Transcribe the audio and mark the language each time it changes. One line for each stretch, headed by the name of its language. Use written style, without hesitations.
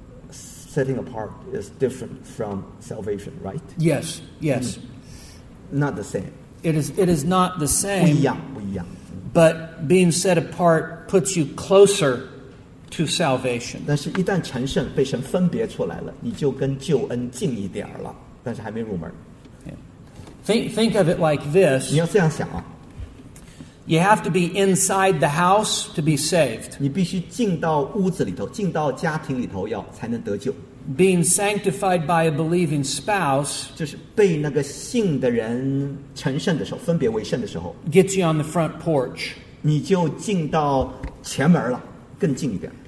English: Setting apart is different from salvation, right? Yes, yes. Not the same. It is not the same.
Chinese: 不一样, 不一样.
English: But being set apart puts you closer to salvation.
Chinese: 但是一旦成圣, 被神分别出来了, 你就跟救恩近一点了, 但是还没入门。
English: Think of it like this.
Chinese: 你要这样想啊,
English: you have to be inside the house to be saved.
Chinese: 你必须进到屋子里头, 进到家庭里头, 要才能得救。
English: Being sanctified by a believing spouse
Chinese: 就是被那个信的人成圣的时候, 分别为圣的时候,
English: gets you on the front porch.
Chinese: 你就进到前门了。更近一点,